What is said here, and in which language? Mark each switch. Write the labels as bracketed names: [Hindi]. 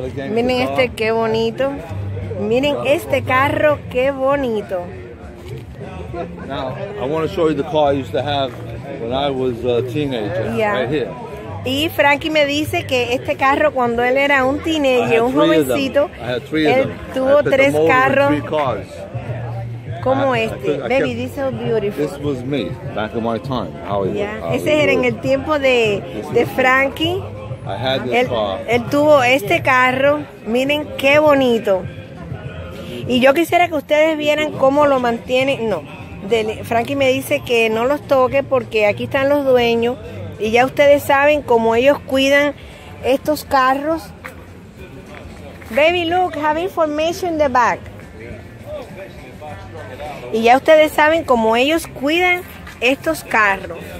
[Spanish] Miren este, qué bonito. Miren este carro, qué bonito. [English] Now, I want to show you the car I used to have when I was a teenager. Yeah. Right here. [Spanish] Y Frankie me dice que este carro cuando él era un teenager, un jovencito, él tuvo tres carros. Como este. [English] Baby, this is so beautiful. This was me, back in my time. Hollywood, yeah. Hollywood. [Spanish] Ese era en el tiempo de Frankie. [English] I had this car. [Spanish] Él tuvo este carro. Miren qué bonito. Y yo quisiera que ustedes vieran cómo lo mantiene. No. Frankie me dice que no los toque porque aquí están los dueños. Y ya ustedes saben cómo ellos cuidan estos carros. [English] Baby, look, have information in the back. [Spanish] Y ya ustedes saben cómo ellos cuidan estos carros.